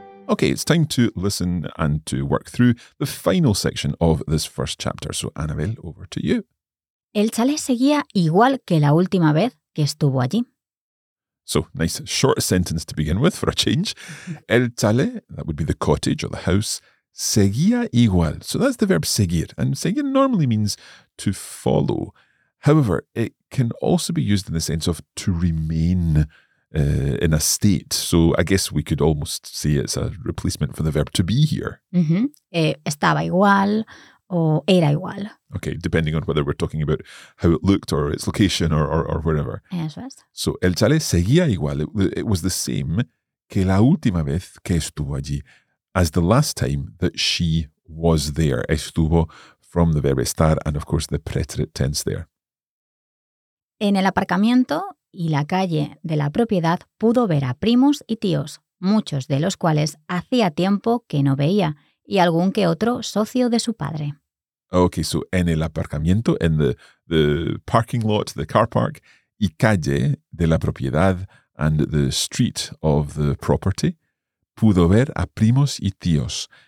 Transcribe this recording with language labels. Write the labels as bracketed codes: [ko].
[en] Okay, it's time to listen and to work through the final section of this first chapter. So, Annabelle, over to you. [es] El chalet seguía igual que la última vez que estuvo allí. [en] So, nice short sentence to begin with for a change. El chalet, that would be the cottage or the house, [es] seguía igual. [en] So that's the verb seguir. And seguir normally means to follow. However, it can also be used in the sense of to remain in a state. So I guess we could almost say it's a replacement for the verb to be here. [es] Mm-hmm. Estaba igual o era igual. [en] Okay, depending on whether we're talking about how it looked or its location or whatever. [es] Eso es. So el chalet seguía igual. [en] It was the same [es] que la última vez que estuvo allí. [en] As the last time that she was there, estuvo, from the verb estar, and of course the preterite tense there. [es] En el aparcamiento y la calle de la propiedad pudo ver a primos y tíos, muchos de los cuales hacía tiempo que no veía, y algún que otro socio de su padre. [en] Okay, so [es] en el aparcamiento, [en] in the parking lot, the car park, [es] y calle de la propiedad, [en] and the street of the property, [es] pudo ver a primos y tíos.